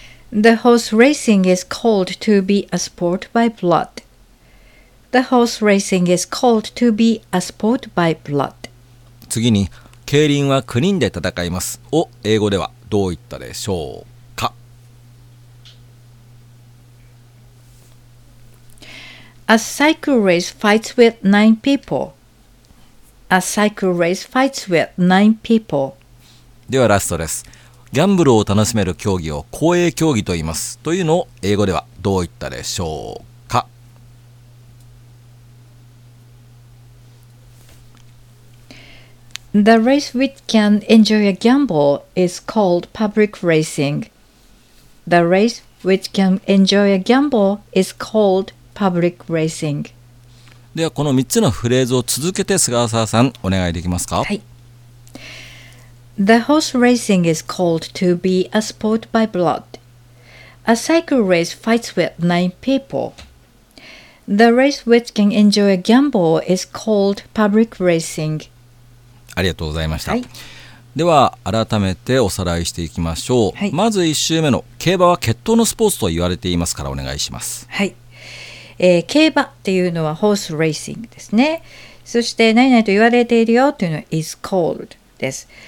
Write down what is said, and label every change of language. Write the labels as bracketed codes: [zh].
[en] The horse racing is called to be a sport by blood. The horse racing is called to be a sport by blood. [ja] 次に、競輪は9人で戦いますを英語ではどう言ったでしょうか？ [en] A cycle race fights with 9 people. A cycle race fights with 9 people. [ja] ではラストです。ギャンブルを楽しめる競技を公営競技と言いますというのを英語ではどう言ったでしょうか？ [en] The race which can enjoy a gamble is called public racing. The race which can enjoy a gamble is called public racing. [ja] ではこの3つのフレーズを続けて菅沢さんお願いできますか？はい。 [en] The horse racing is called to be a sport by blood. A cycle race fights with 9 people. The race which can enjoy a gamble is called public racing. [ja] ありがとうございました。では改めておさらいしていきましょう。まず1週目の競馬は血統のスポーツと言われていますからお願いします。はい、競馬っていうのはホースレーシングですね。そして何々と言われているよというのは [en] is called [ja] です。